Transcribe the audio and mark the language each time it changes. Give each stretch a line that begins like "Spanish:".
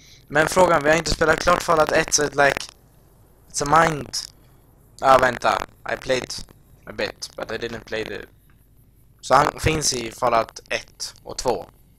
Swedish: Men frågan, vi har inte spelat klart Fallout 1, så
English: it's a mind.
Swedish: Ah, vänta.
English: I played a bit, but I didn't play the...
Swedish: Så han finns i Fallout 1 och 2.